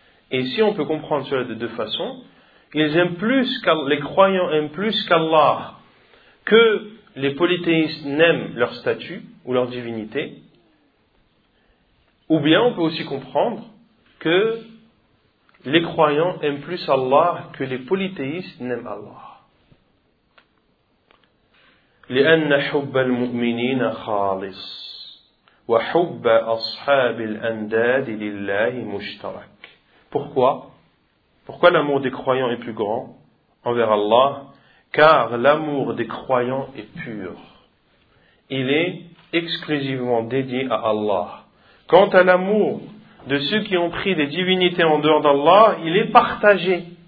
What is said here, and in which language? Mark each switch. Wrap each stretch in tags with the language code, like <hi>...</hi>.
<fr>Et si on peut comprendre cela de deux façons, ils aiment plus, les croyants aiment plus qu'Allah, que les polythéistes n'aiment leur statut ou leur divinité, ou bien on peut aussi comprendre que les croyants aiment plus Allah que les polythéistes n'aiment Allah.</fr> <ar>لأن حب المؤمنين خالص وحب أصحاب الأنداد لله مشترك.</ar> <fr>Pourquoi l'amour des croyants est plus grand envers Allah? Car l'amour des croyants est pur. Il est exclusivement dédié à Allah. Quant à l'amour de ceux qui ont pris des divinités en dehors d'Allah, il est partagé.</fr>